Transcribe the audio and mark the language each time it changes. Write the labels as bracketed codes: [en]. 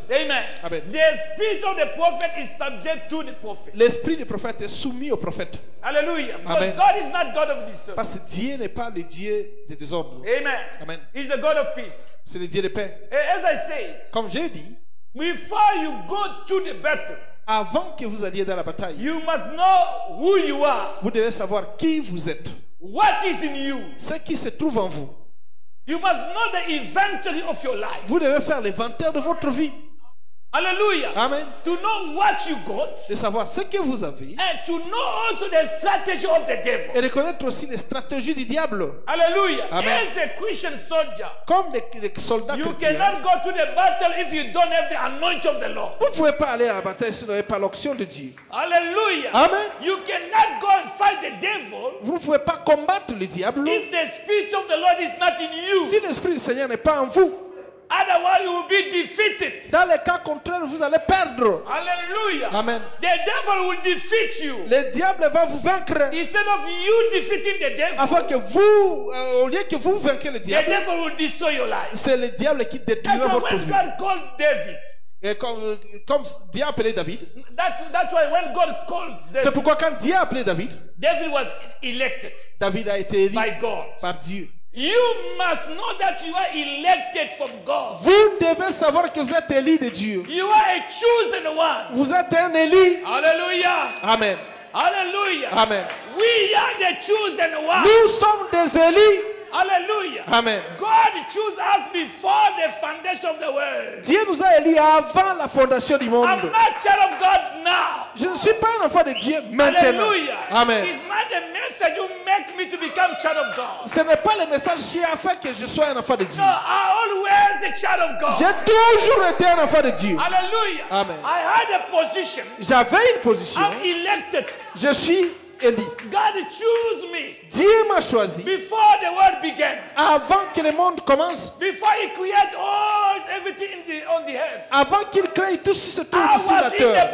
[en] Amen. Amen. The spirit of the prophet is subject to the prophet. [fr] L'esprit du prophète est soumis au prophète. Alléluia. Amen. [en] But God is not God of disorder. [fr] Parce que Dieu n'est pas le Dieu de désordre. Amen. Amen. [en] He's the God of peace. [fr] C'est le Dieu de paix. [en] And as I said, [fr] comme j'ai dit, [en] before you go to the battle, [fr] avant que vous alliez dans la bataille, [en] you must know who you are, [fr] vous devez savoir qui vous êtes. [en] What is in you? [fr] Ce qui se trouve en vous. [en] You must know the inventory of your life. [fr] Vous devez faire l'inventaire de votre vie. Alléluia. Amen. [en] To know what you got, [fr] de savoir ce que vous avez. [en] And to know also the strategy of the devil. [fr] Et de connaître aussi les stratégies du diable. Alléluia. Amen. [en] As a Christian soldier, [fr] comme les soldats [en] you [fr] chrétiens, [en] cannot go to the battle if you don't have the anointing of the Lord. [fr] Vous ne pouvez pas aller à la bataille si vous n'avez pas l'onction de Dieu. Alléluia. Amen. [en] You cannot go and fight the devil. [fr] Vous ne pouvez pas combattre le diable. [en] If the spirit of the Lord is not in you. [fr] Si l'esprit du Seigneur n'est pas en vous. [en] Otherwise, you will be defeated. [fr] Dans le cas contraire, vous allez perdre. Alléluia. Amen. [en] The devil will defeat you. [fr] Le diable va vous vaincre. [en] Instead of you defeating the devil, [fr] afin que vous, au lieu que vous vainquiez le diable, [en] the devil will destroy your life. [fr] C'est le diable qui détruira votre vie. [en] When God called David, [fr] Et comme Dieu a appelé David. [en] That's why when God called David, [fr] c'est pourquoi quand Dieu a appelé David, [en] David was elected. [fr] David a été élu [en] by God. [fr] Par Dieu. [en] You must know that you are elected from God. [fr] Vous devez savoir que vous êtes élu de Dieu. [en] You are a chosen one. [fr] Vous êtes un élu. Hallelujah. Amen. Hallelujah. Amen. [en] We are the chosen one. [fr] Nous sommes des élus. Hallelujah. Amen. [en] God chose us before the foundation of the world. [fr] Dieu nous a élus avant la fondation du monde. [en] I'm not child of God now. [fr] Je ne suis pas un enfant de Dieu maintenant. Hallelujah. Amen. [en] It's not the message you make me to become child of God. [fr] Ce n'est pas le message qui a fait que je sois un enfant de Dieu. [en] No, I always a child of God. [fr] J'ai toujours été un enfant de Dieu. Hallelujah. Amen. [en] I had a position. [fr] J'avais une position. [en] I'm elected. [fr] Je suis élu. [en] God choose me. [fr] Dieu m'a choisi. [en] Before the world began. [fr] Avant que le monde commence. [en] Before he created all everything in the, on the earth. [fr] Avant qu'il crée tout ce qui tourne sur la terre.